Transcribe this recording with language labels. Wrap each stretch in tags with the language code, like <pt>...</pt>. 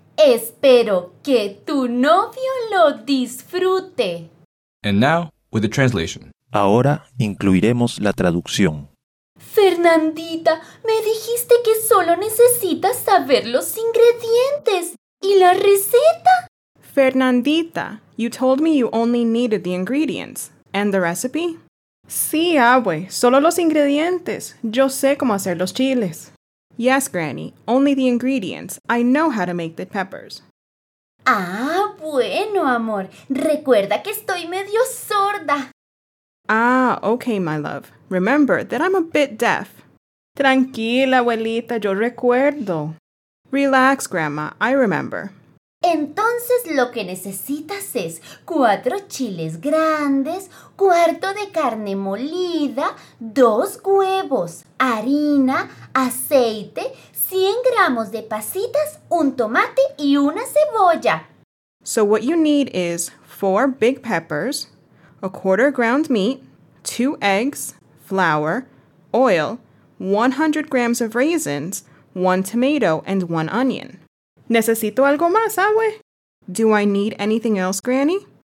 <es>Espero que tu novio lo disfrute.</es> <en>And now, with the translation.</en> <es>Ahora incluiremos la traducción. Fernandita, me dijiste que solo necesitas saber los ingredientes y la receta.</es> <en>Fernandita, you told me you only needed the ingredients. And the recipe?</en> <es>Sí, abue, solo los ingredientes. Yo sé cómo hacer los chiles.</es> <en>Yes, Granny, only the ingredients. I know how to make the peppers.</en> <es>Ah, bueno, amor. Recuerda que estoy medio sorda.</es> <en>Ah, okay, my love. Remember that I'm a bit deaf.</en> <es>Tranquila, abuelita, yo recuerdo.</es> <en>Relax, Grandma, I remember.</en> <es>Entonces lo que necesitas es 4 chiles grandes, 1/4 de carne molida, 2 huevos, harina, aceite, 100 gramos de pasitas, un tomate y una cebolla.</es> <en>So what you need is 4 big peppers, 1/4 ground meat, 2 eggs, flour, oil, 100 grams of raisins, 1 tomato and 1 onion.</en> <es>¿Necesito algo más, abue?</es> <en>Do I need anything else, Granny?</en>